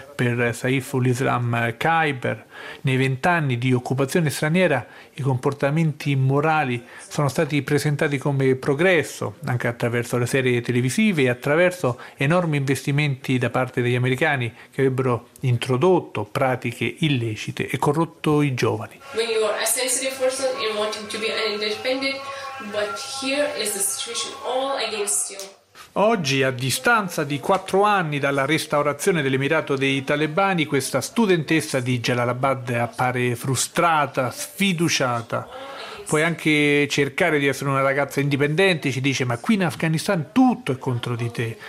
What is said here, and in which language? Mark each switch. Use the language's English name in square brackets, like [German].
[Italian] Per Saiful Islam Khyber, nei 20 anni di occupazione straniera i comportamenti immorali sono stati presentati come progresso, anche attraverso le serie televisive e attraverso enormi investimenti da parte degli americani che avrebbero introdotto pratiche illecite e corrotto i giovani. [English] When you are a sensitive person, you want to be independent, but here is the situation all against you. [Italian] Oggi, a distanza di 4 anni dalla restaurazione dell'emirato dei talebani, questa studentessa di Jalalabad appare frustrata, sfiduciata. Puoi anche cercare di essere una ragazza indipendente, ci dice, ma qui in Afghanistan tutto è contro di te.